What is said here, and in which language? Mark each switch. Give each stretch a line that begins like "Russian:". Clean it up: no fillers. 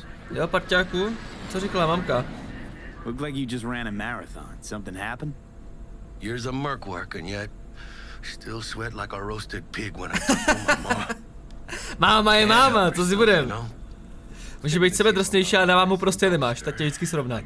Czech: Jo, parťáku, co říkala mamka?
English: Look like you just ran a marathon. Something happened? Years of merc work and yet still sweat like a roasted pig when I come home.
Czech: Mama, je mama, co si budem? Může být sebedrsnější, ale na mámu prostě nemáš, tak tě vždycky srovná.